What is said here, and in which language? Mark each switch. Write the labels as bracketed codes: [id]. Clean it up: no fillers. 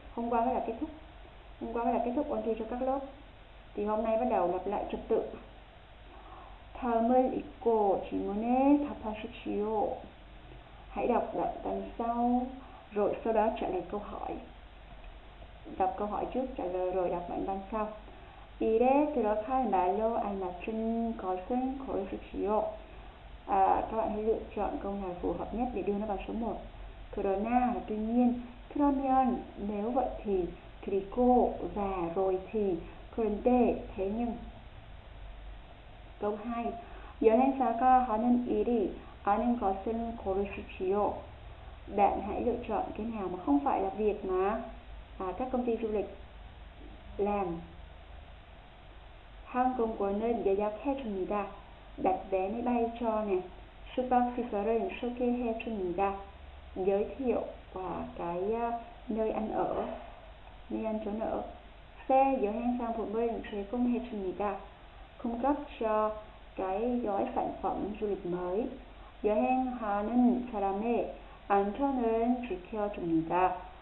[vi] Hôm qua mới là kết thúc, ôn thi cho các lớp thì hôm nay bắt đầu lập lại trật tự. [ko] 다음을 읽고 질문에 답하십시오. [vi] Hãy đọc đoạn đằng sau rồi sau đó trả lời câu hỏi. Đọc câu hỏi trước trả lời rồi đọc đoạn đằng sau. [ko] 일에 들어갈 말로 알맞춘 것은 고르십시오. [vi] Các bạn hãy lựa chọn câu nào phù hợp nhất để đưa nó vào số 1. 그러나, tuy nhiên, 그러면, nếu vậy thì, 그리고, và rồi thì, 그런데, thế nhưng. Câu 2. [ko] 여행사가 하는 일이 아닌 것은 고르십시오. [vi] Bạn hãy lựa chọn cái nào mà không phải là việc mà các công ty du lịch làm. [ko] 항공권은 예약해 줍니다. [vi] Đặt vé máy bay cho nè. [ko] 숙박 시설은 소개해 줍니다. [vi] Giới thiệu và cái nơi ăn ở, nơi ăn trốn ở. [ko] 새 여행상 품은 제공해 줍니다. [vi] Cung cấp cho cái gói sản phẩm du lịch mới. [ko] 여행하는 사람의 안전을 지켜줍니다.